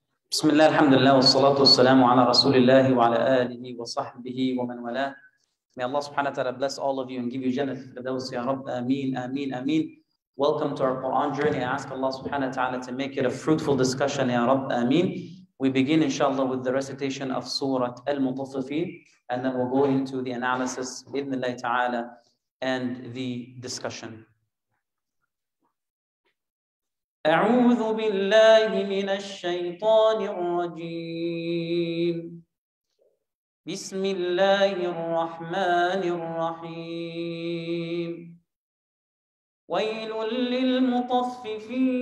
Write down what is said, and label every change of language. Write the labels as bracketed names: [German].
[Arabic] بسم الله، الحمد لله، والصلاة والسلام على رسول الله وعلى آله وصحبه ومن والاه. [English] May Allah subhanahu wa ta'ala bless all of you and give you Jannah al-Firdaws ya Rabb. Ameen, ameen, ameen. Welcome to our Quran journey. I ask Allah subhanahu wa ta'ala to make it a fruitful discussion ya Rabb. Ameen. We begin inshallah with the recitation of Surat al-Mutafifin and then we'll go into the analysis [Arabic] بإذن الله تعالى [English] and the discussion. [Arabic] أعوذ بالله من الشيطان الرجيم بسم الله الرحمن الرحيم ويل للمطففين